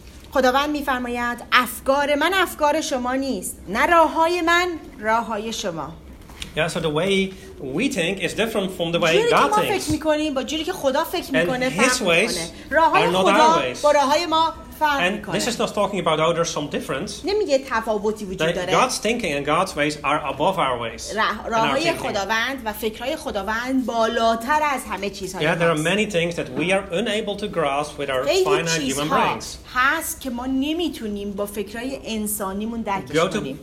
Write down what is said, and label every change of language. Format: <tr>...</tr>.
<fa>خداوند می‌فرماید افکار من افکار شما نیست، نه راه‌های من راه‌های شما.</fa> <en>Yeah, so the way we think is different from the way God thinks.</en> <fa>جوری که ما فکر می‌کنیم با جوری که خدا فکر می‌کنه فرق می‌کنه. راه‌های خدا با راه‌های ما فرق می‌کنه.</fa> <en>This is not talking about how there's some difference.</en> <fa>نمی‌گه تفاوتی وجود داره.</fa> <en>God's thinking and God's ways are above our ways.</en> <fa>راه‌های خداوند و فکرهای خداوند بالاتر از همه چیزهای ماست.</fa> <en>Yeah, there are many things that we are unable to grasp with our finite human brains.</en> <fa>هست که ما نمیتونیم با فکرای انسانیمون درکش کنیم.</fa>